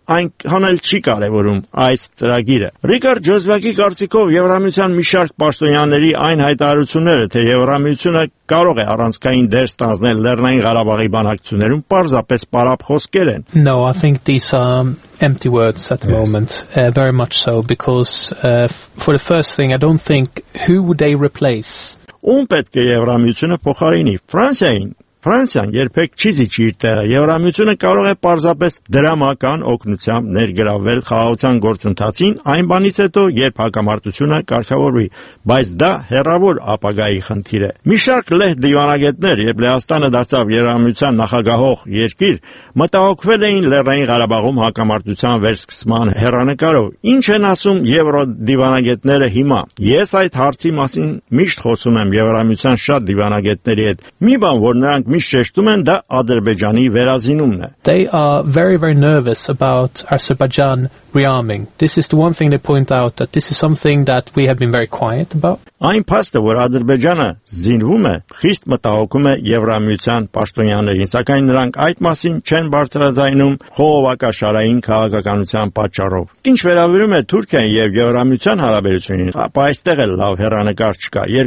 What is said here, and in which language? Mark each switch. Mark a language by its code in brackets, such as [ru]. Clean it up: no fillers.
[hy] այն հանել չի կարևորում այս ծրագիրը։ Ռիկարդ Ջոզվակի կարծիքով Եվրամիության մի շարք պաշտոնյաների այն հայտարարությունները, թե Եվրամիությունը կարող է առանցքային դեր ստանձնել Լեռնային Ղարաբաղի բանակցություններում, պարզապես պարապ խոսքեր են։ [en] No, I think these are empty words at the moment. Very much so, because for the first thing, I don't think who would they replace? [hy] Ում պետք է Եվրամիությունը փոխարինի, Ֆրանսիային։ Ֆրանսիան երբեք չի զիջի իր տեղը, Եվրամիությունը կարող է պարզապես դրամական օգնությամբ ներգրավել խաղաղության գործընթացին, այն բանից հետո, երբ հակամարտությունը կարգավորվի, բայց դա հեռավոր ապագայի խնդիր է։ Մի շարք լեհ դիվանագետներ, երբ Լեհաստանը դարձավ Եվրամիության նախագահող երկիր, մտահոգվել էին Լեռնային Ղարաբաղում հակամարտության վերսկսման հեռանկարով։ Ինչ են ասում եվրոդիվանագետները հիմա։ Ես այդ հարցի մասին միշտ խոսում եմ Եվրամիության շատ դիվանագետների հետ։ Մի բան, որ նրանք [en] They are very, very nervous about Azerbaijan rearming. This is the one thing they point out, that this is something that we have been very quiet about. [hy] Այն փաստը, որ Ադրբեջանը զինվում է, խիստ մտահոգում է Եվրամիության պաշտոնյաներին, սակայն նրանք այդ մասին չեն բարձրաձայնում խողովակաշարային քաղաքականության պատճառով։ Ինչ վերաբերում է Թուրքիան և Եվրամիության հարաբերություններին, ապա այստեղ էլ լավ հեռանկար չկա։